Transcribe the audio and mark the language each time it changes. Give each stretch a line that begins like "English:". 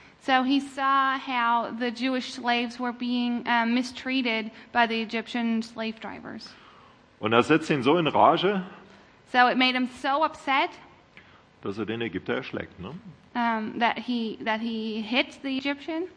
English: So he saw how the Jewish slaves were being mistreated by the Egyptian slave drivers.
German: Und das setzte ihn so in Rage.
English: So it made him so upset.
German: Dass er den Ägypter erschlägt, ne?
English: That he hit the Egyptian.